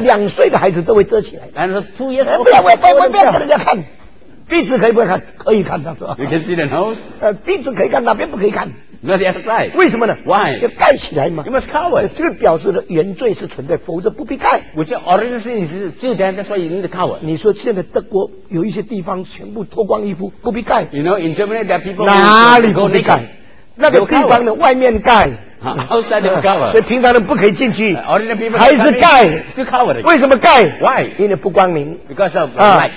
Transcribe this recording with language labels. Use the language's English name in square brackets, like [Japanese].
[Chinese] 两岁的孩子都会遮起来 [English] And also 2 years old [Chinese] 不要给人家看鼻子可以不看可以看他说 [English] You can see the nose [Chinese] 鼻子可以看哪边不可以看 [English] Not the other side [Chinese] 为什么呢 [English] Why [Chinese] 要盖起来嘛 [English] You must cover [Chinese] 这个表示原罪是存在否则不必盖 [English] Which original sin is still there that's why you need to cover [Chinese] 你说现在德国有一些地方全部脱光衣服不必盖 [English] You know in Germany there are people [Chinese] 哪里不必盖那个地方的外面盖 [English] Outside they cover [Chinese] 所以平常人不可以进去 [English] Ordinary people [Chinese] 还是盖 [English] Still cover [Chinese] 为什么盖 [English] Why [Chinese] 因为不光明 [English] Because of light